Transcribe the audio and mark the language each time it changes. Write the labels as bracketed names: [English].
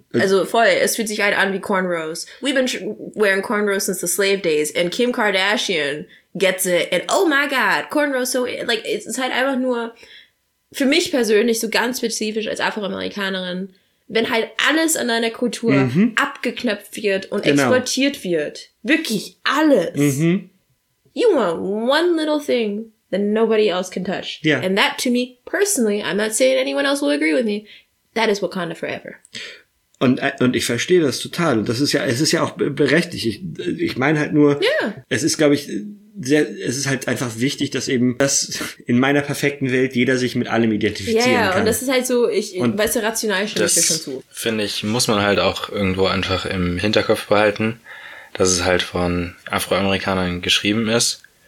[German] Also voll, es fühlt sich halt an wie Cornrows. [English] We've been wearing Cornrows since the slave days and Kim Kardashian gets it and oh my god, Cornrows so, like, [German] es ist halt einfach nur für mich persönlich so ganz spezifisch als Afroamerikanerin, wenn halt alles an deiner Kultur abgeknöpft wird und exportiert wird. Wirklich alles. [English] You want one little thing that nobody else can touch. Yeah. And that to me, personally, I'm not saying anyone else will agree with me, that is Wakanda forever. [German] Und ich verstehe das total. Und das ist ja, es ist ja auch berechtigt. Ich meine halt nur, es ist, glaube ich, sehr, es ist halt einfach wichtig, dass eben das in meiner perfekten Welt jeder sich mit allem identifizieren kann. Ja, und das ist halt so, weißt du, rational stimme ich dir schon zu. Finde ich, muss man halt auch irgendwo einfach im Hinterkopf behalten, dass es halt von Afroamerikanern geschrieben ist.